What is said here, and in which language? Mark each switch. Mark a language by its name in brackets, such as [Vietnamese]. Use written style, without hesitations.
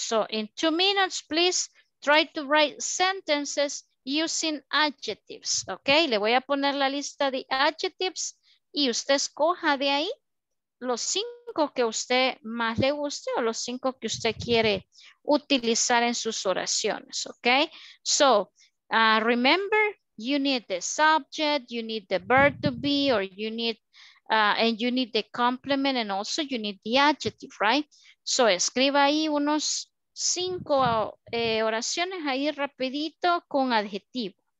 [English] So in 2 minutes, please try to write sentences using adjectives, ok? [Spanish] Le voy a poner la lista de adjectives y usted escoja de ahí los 5 que usted más le guste o los 5 que usted quiere utilizar en sus oraciones, ok? [English] So, remember, you need the subject, you need the verb to be, or you need, and you need the complement, and also you need the adjective, right? [Spanish] So, escriba ahí unos 5 oraciones ahí rapidito con adjetivo.